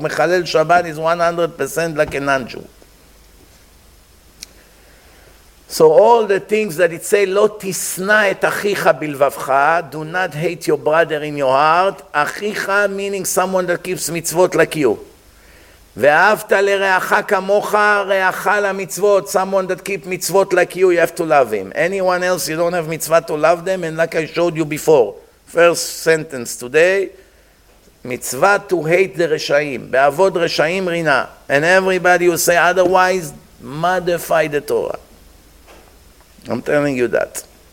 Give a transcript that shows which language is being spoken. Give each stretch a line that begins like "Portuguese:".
English: Mechalel Shabbat is 100% like a non-Jew. So all the things that it says,
Hebrew: Lo tisna et achicha bilvavcha,
English: do not hate your brother in your heart. Achicha meaning someone that keeps mitzvot like you.
Hebrew: ואהבת לרעך כמוך, רעך למצוות.
English: Someone that keep מצוות like you, you have to love him. Anyone else, you don't have מצווה to love them, and like I showed you before. First sentence today, מצווה to hate the רשעים.
Hebrew: בעבוד רשעים רינה.
English: And everybody will say otherwise, modify the Torah. I'm telling you that.